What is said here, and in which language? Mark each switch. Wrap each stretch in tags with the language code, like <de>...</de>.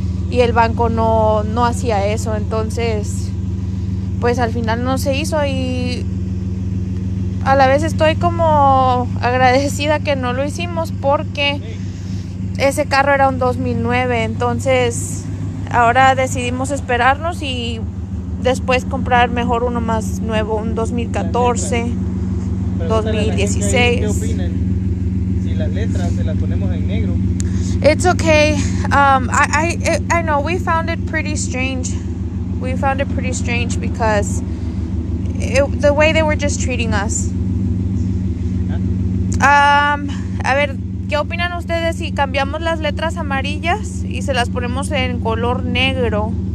<es>Y el banco no hacía eso. Entonces, pues al final no se hizo y a la vez estoy como agradecida que no lo hicimos, porque ese carro era un 2009, entonces ahora decidimos esperarnos y después comprar mejor uno más nuevo, un 2014, 2016. ¿Qué opinan? Si las letras se las ponemos en negro.</es> <en>It's okay. I know, we found it pretty strange. We found it pretty strange because the way they were just treating us.</en> <es>A ver, ¿qué opinan ustedes si cambiamos las letras amarillas y se las ponemos en color negro?</es>